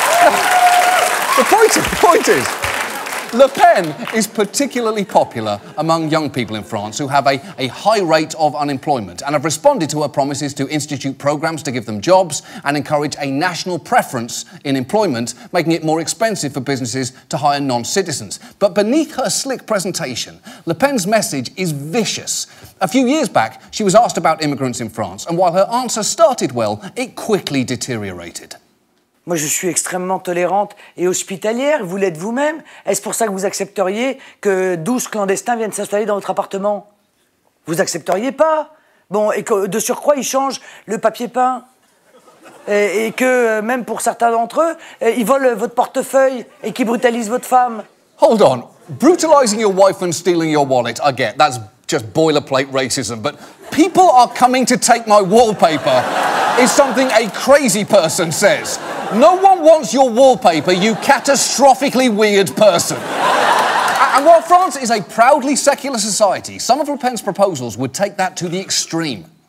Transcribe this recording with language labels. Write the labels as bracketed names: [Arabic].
[English] The point is, Le Pen is particularly popular among young people in France who have a high rate of unemployment and have responded to her promises to institute programs to give them jobs and encourage a national preference in employment, making it more expensive for businesses to hire non-citizens. But beneath her slick presentation, Le Pen's message is vicious. A few years back, she was asked about immigrants in France, and while her answer started well, it quickly deteriorated. [French] Moi, je suis extrêmement tolérante et hospitalière. Vous l'êtes vous-même. Est-ce pour ça que vous accepteriez que 12 clandestins viennent s'installer dans votre appartement? Vous accepteriez pas? Bon, et que de surcroît, ils changent le papier peint. Et que même pour certains d'entre eux, ils volent votre portefeuille et qu'ils brutalisent votre femme. [English] Hold on. Brutalizing your wife and stealing your wallet, I get. That's just boilerplate racism. But people are coming to take my wallpaper is something a crazy person says. No one wants your wallpaper, you catastrophically weird person. And while France is a proudly secular society, some of Le Pen's proposals would take that to the extreme.